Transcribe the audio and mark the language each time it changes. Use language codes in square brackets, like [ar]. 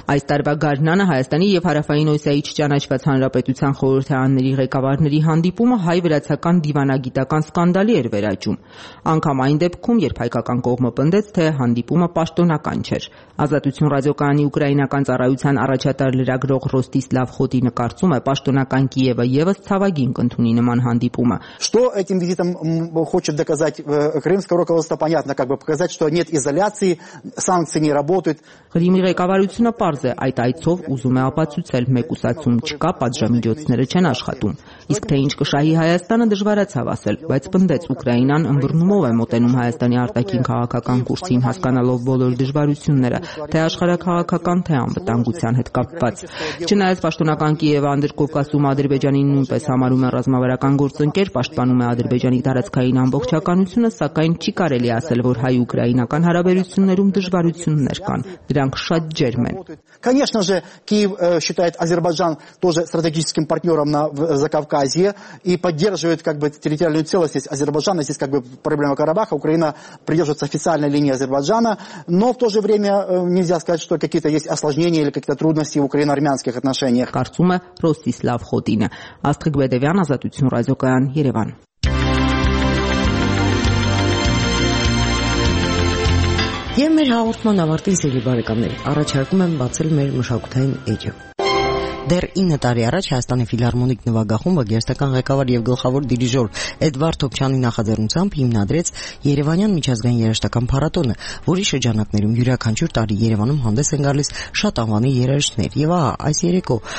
[hy] Այս տարվա գարնանը Հայաստանի և Հարավային Օսիայի չճանաչված Հանրապետության խորհրդարանների ղեկավարների հանդիպումը հայ-վրացական դիվանագիտական սկանդալի էր վերաճում։ Անգամ այն դեպքում, երբ հայկական կողմը պնդեց, թե հանդիպումը պաշտոնական չէր։ Ազատություն ռադիոկայանի ուկրաինական ծառայության առաջատար լրագրող Ռոստիսլավ Խոտինը կարծում է, պաշտոնական Կիևը ևս ցավագին կընդունի նման հանդիպումը։ [ru] Что этим визитом хочет доказать крымское руководство, понятно, как бы показать, что нет изоляции, санкции не работают. [hy] Ղրիմի ղեկավարությունը պարզ է, այդ այցով ուզում է ապացուցել, մեկուսացում չկա, պատժամիջոցները չեն աշխատում։ Իսկ թե ինչ կշահի Հայաստանը, դժվարացավ ասել, բայց պնդեց, Ուկրաինան ըմբռնումով է մոտենում Հայաստանի արտաքին քաղաքական կուրսին, հասկանալով բոլոր դժվարությունները, թե աշխարհաքաղաքական, թե անվտանգության հետ կապված։ Չնայած պաշտոնական Կիևը անդրկովկասում Ադրբեջանի Ռուսաստանին նույնպես համարում են ռազմավարական գործընկեր, պաշտպանում է Ադրբեջանի տարածքային ամբողջականությունը, սակայն չի կարելի ասել, որ հայ-ուկրաինական հարաբերություններում դժվարություններ կան, դրանք շատ ջերմ են։ [ru] Конечно же, Киев считает Азербайджан тоже стратегическим партнёром на Закавказье и поддерживает как бы территориальную целостность Азербайджана. Здесь как бы проблема Карабаха. Украина придерживается официальной линии Азербайджана, но в то же время нельзя сказать, что какие-то есть осложнения или какие-то трудности в украино-армянских отношениях. [hy] Կարծում է Ռոստիսլավ Խոտինը, Աստղիկ Բեդևյան, Ազատություն ռադիոկայան, Երևան։ Եվ մեր հաղորդման ավարտին, սիրելի բարեկամներ, առաջարկում եմ բացել մեր մշակութային էջը։ Դեռ 9 տարի առաջ Հայաստանի ֆիլհարմոնիկ նվագախումբը գերտական ղեկավար և գլխավոր դիրիժոր Էդվարդ Թոփչյանի նախաձեռնությամբ հիմնադրեց Երևանյան միջազգային երաժշտական փառատոնը, որի շրջանակներում յուրաքանչյուր տարի Երևանում հանդես են գալիս շատ անվանի երաժիշտներ։ Եվ ահա, այս երեկո